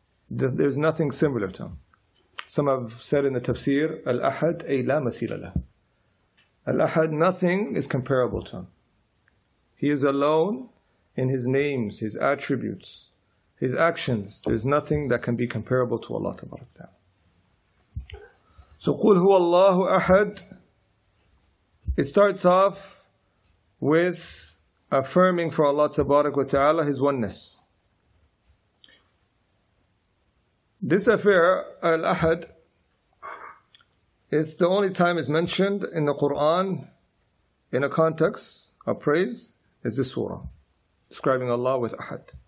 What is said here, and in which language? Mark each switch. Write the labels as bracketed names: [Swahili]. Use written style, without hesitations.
[English] There's nothing similar to him. Some have said in the tafsir, [Arabic] Al-Ahad ay la masila lah. [English] Al-Ahad, nothing is comparable to him. He is alone in his names, his attributes, his actions. There's nothing that can be comparable to Allah Tabarak Ta'ala. So, [Arabic] قُلْ هُوَ اللَّهُ أَحَد. [English] It starts off with affirming for Allah Tabarak wa Ta'ala His oneness. This affair, Al-Ahad, is the only time it's mentioned in the Qur'an in a context of praise, is this surah, describing Allah with Ahad.